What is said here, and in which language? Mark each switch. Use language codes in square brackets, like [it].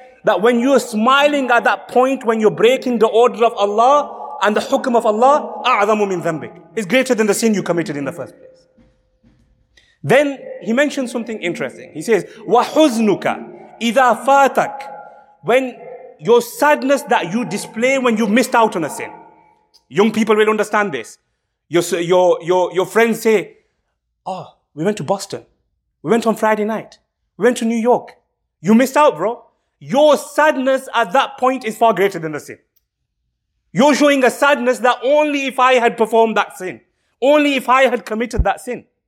[en] That when you're smiling at that point, when you're breaking the order of Allah and the hukm of Allah, [ar] أَعْظَمُ مِنْ ذَنْبِكَ. [en] It's greater than the sin you committed in the first place. Then he mentions something interesting. He says, [ar] وَحُزْنُكَ إِذَا فَاتَكَ. [en] When your sadness that you display when you missed out on a sin. Young people will understand this. Your friends say, oh, we went to Boston. We went on Friday night. We went to New York. You missed out, bro. Your sadness at that point is far greater than the sin. You're showing a sadness that only if I had performed that sin, only if I had committed that sin.